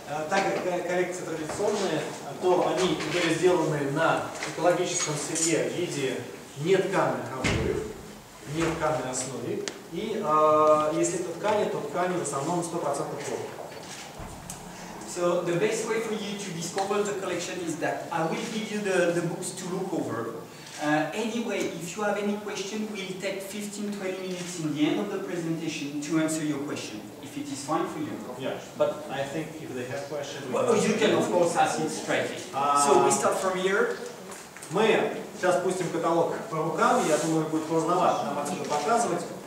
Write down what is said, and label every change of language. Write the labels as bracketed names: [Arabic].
[Russian] Так как коллекция традиционная, то они были сделаны на экологическом сырье в виде нетканных обоев, нетканной основе. И если это ткани, то ткани в основном 100% полотна. [English] So the best way for you to discover the collection is that I will give you the books to look over. Anyway, if you have any question, we'll take 15-20 minutes in the end of the presentation to answer your question, if it is fine for you. Yeah, but I think if they have questions... You can, of course, ask it straight. So we start from here. [Russian] Мы сейчас пустим каталог по рукам, я думаю, будет поздновато нам отсюда показывать.